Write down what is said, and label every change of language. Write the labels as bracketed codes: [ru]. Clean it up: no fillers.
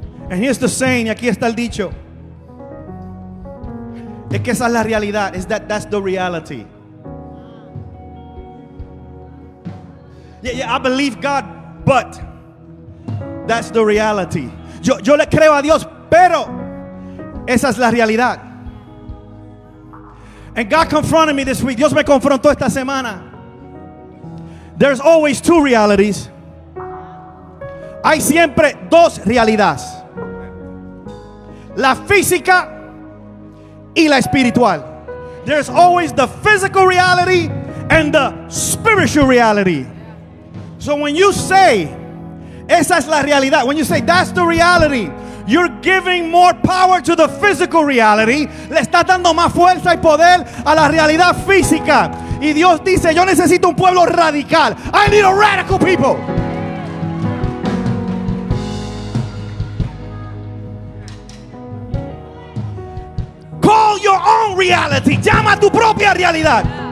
[en] And here's the saying. [es] Y aquí está el dicho. Es que esa es la realidad. [en] Is that that's the reality. Yeah, I believe God, but that's the reality. [es] Yo le creo a Dios, pero esa es la realidad. [en] And God confronted me this week. [es] Dios me confrontó esta semana. [en] There's always two realities. [es] Hay siempre dos realidades. La física y la espiritual. [en] There's always the physical reality and the spiritual reality. So when you say, [es] esa es la realidad, [en] when you say that's the reality, you're giving more power to the physical reality. [es] Le estás dando más fuerza y poder a la realidad física. Y Dios dice, yo necesito un pueblo radical. [en] I need a radical people. Call your own reality. [es] Llama tu propia realidad.